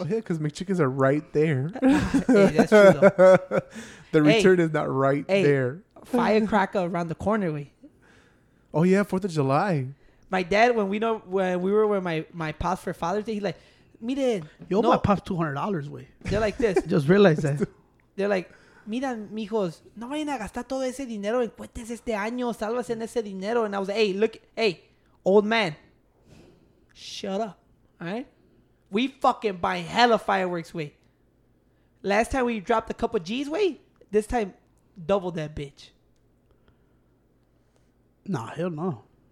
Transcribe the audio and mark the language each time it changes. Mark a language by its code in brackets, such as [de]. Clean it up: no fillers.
[en] Oh, yeah, because McChickens are right there. Hey, that's true, though. The return is not right there. Firecracker around the corner, güey. Oh, yeah, 4th of July. My dad, when we were with my pops for Father's Day, he's like, miren. You owe my pops $200, güey. They're like this. Just realize that. [es] They're like, miran, mijos, no vayan a gastar todo ese dinero en cuentas este año. Salvas en ese dinero. [en] And I was like, hey, old man, shut up. All right? We fucking buy hella fireworks, güey. Last time we dropped a couple G's, güey, this time, double that bitch. Nah, hell no.